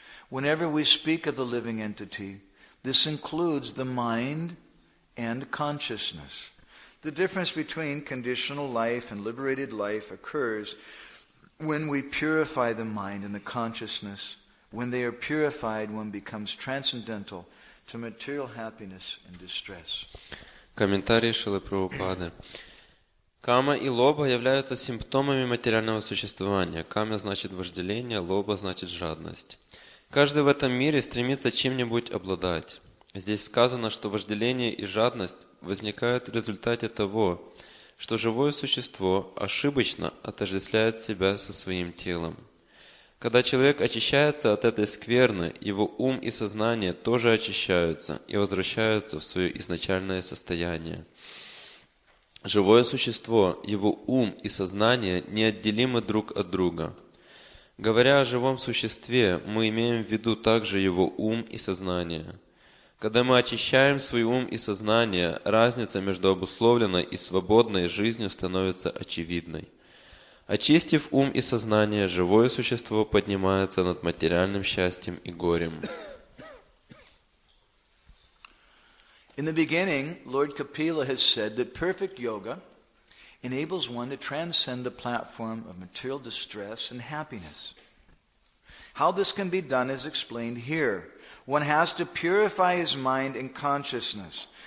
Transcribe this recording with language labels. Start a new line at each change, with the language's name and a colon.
English: Whenever we speak of the living entity, this includes the mind and consciousness. The difference between conditional life and liberated life occurs when we purify the mind and the consciousness. When they are purified, one becomes transcendental to material happiness and distress.
Russian: Комментарий Шрилы Прабхупады. Кама и лоба являются симптомами материального существования. Кама значит вожделение, лоба значит жадность. Каждый в этом мире стремится чем-нибудь обладать. Здесь сказано, что вожделение и жадность возникают в результате того, что живое существо ошибочно отождествляет себя со своим телом. Когда человек очищается от этой скверны, его ум и сознание тоже очищаются и возвращаются в свое изначальное состояние. Живое существо, его ум и сознание неотделимы друг от друга. Говоря о живом существе, мы имеем в виду также его ум и сознание. Когда мы очищаем свой ум и сознание, разница между обусловленной и свободной жизнью становится очевидной. Очистив ум и сознание, живое существо поднимается над материальным счастьем и горем.
English: In the beginning, Lord Kapila has said that perfect yoga enables one to transcend the platform of material distress and happiness. How this can be done is explained here. One has to purify his mind and consciousness.